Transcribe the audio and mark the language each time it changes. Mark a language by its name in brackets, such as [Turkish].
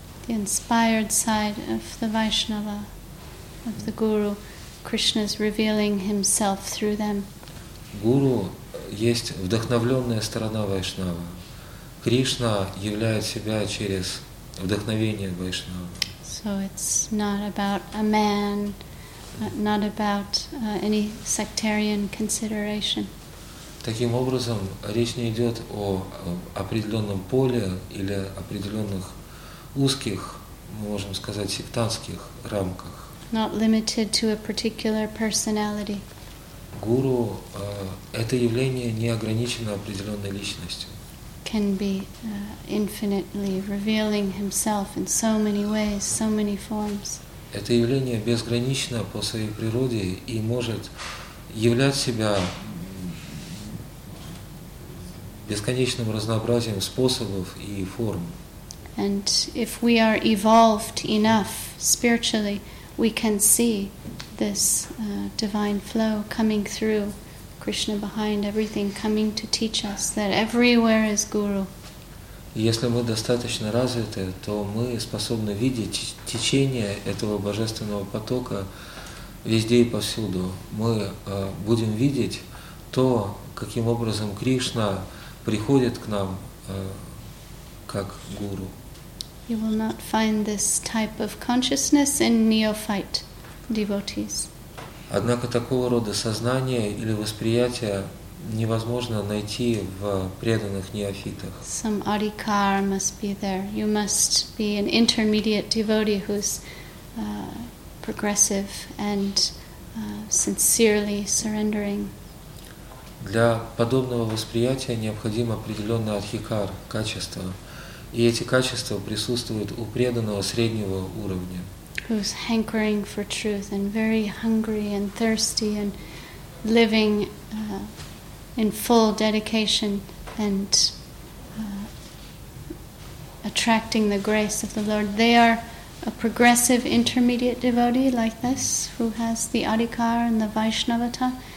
[English] The inspired side of the Vaishnava, of the guru, Krishna is revealing himself through them. [Russian] Гуру есть вдохновленная сторона Вайшнава. Кришна являет себя через вдохновение Вайшнава. [English] So it's not about a man, not about any sectarian consideration. [Russian] Таким образом, речь не идет о определенном поле или определенных узких, мы можем сказать, сектантских рамках. [English] Not limited to a particular personality. [Russian] Гуру, это явление не ограничено определенной личностью. [English] Can be infinitely revealing himself in so many ways, so many forms. [Russian] Это явление безгранично по своей природе и может являть себя бесконечным разнообразием способов и форм. [English] And if we are evolved enough spiritually, we can see this divine flow coming through. Krishna behind everything, coming to teach us that everywhere is Guru. [Russian] Если мы достаточно развиты, то мы способны видеть течение этого божественного потока везде и повсюду. Мы будем видеть то, каким образом Кришна приходит к нам как Гуру. [English] You will not find this type of consciousness in neophyte devotees. [Russian] Однако такого рода сознание или восприятие невозможно найти в преданных неофитах. [English] Some adhikar must be there. You must be an intermediate devotee who's progressive and sincerely surrendering. [Russian] Для подобного восприятия необходим определенный адхикар, качество. И эти качества присутствуют у преданного среднего уровня. [English] Who's hankering for truth and very hungry and thirsty and living in full dedication and attracting the grace of the Lord. They are a progressive intermediate devotee like this who has the adhikara and the Vaishnavata.